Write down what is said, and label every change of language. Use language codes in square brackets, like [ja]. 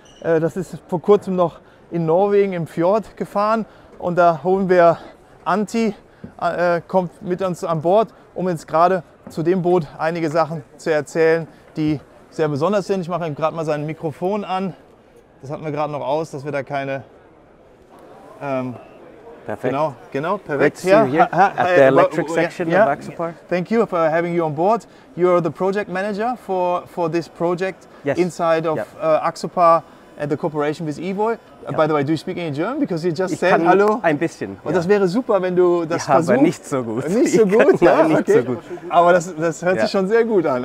[de] Das ist vor kurzem noch in Norwegen im Fjord gefahren und da holen wir Anti. Kommt mit uns an Bord, um jetzt gerade zu dem Boot einige Sachen zu erzählen, die sehr besonders sind. Ich mache ihm gerade mal sein Mikrofon an. Das hatten wir gerade noch aus, dass wir da keine... perfekt. Genau, perfekt. [en] Great to see you here at the electric section of Axopar. Thank you for having you on board. You are the project manager for this project inside of Axopar. And the cooperation with Evoy. By the way, do you speak any German? Because you just said hello. [de] Ein bisschen. Und das wäre super, wenn du das versuchst. Aber nicht so gut. Nicht so gut? Ja, nicht so gut. Aber das hört sich schon sehr gut an.